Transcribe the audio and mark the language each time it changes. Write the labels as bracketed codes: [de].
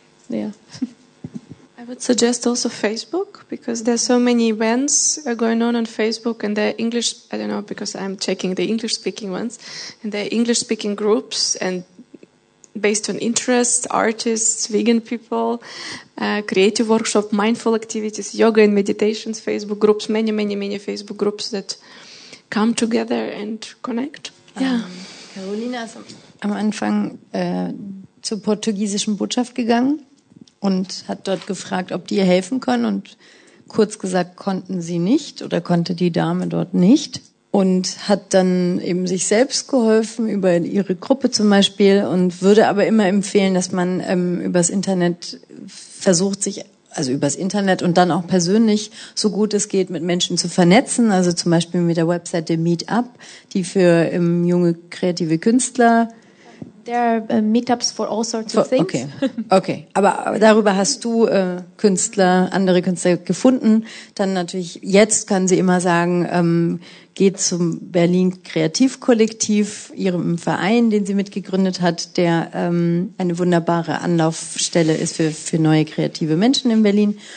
[en] I would suggest also Facebook, because there's so many events going on Facebook, and they're English, I don't know, because I'm checking the English speaking ones, and they're English speaking groups and based on interests, artists, vegan people, creative workshop, mindful activities, yoga and meditations, Facebook groups, many, many, many Facebook groups that come together and connect. [de] Carolina ist am Anfang zur portugiesischen Botschaft gegangen und hat dort gefragt, ob die ihr helfen können. Und kurz gesagt, konnten sie nicht oder konnte die Dame dort nicht. Und hat dann eben sich selbst geholfen über ihre Gruppe zum Beispiel, und würde aber immer empfehlen, dass man übers Internet versucht, sich, also übers Internet und dann auch persönlich, so gut es geht, mit Menschen zu vernetzen. Also zum Beispiel mit der Website der Meetup, die für junge kreative Künstler. [en] There are meetups for all sorts of things. Okay. [de] Aber darüber hast du Künstler, andere Künstler gefunden. Dann natürlich, jetzt können sie immer sagen, geht zum Berlin Kreativkollektiv, ihrem Verein, den sie mitgegründet hat, der eine wunderbare Anlaufstelle ist für neue kreative Menschen in Berlin.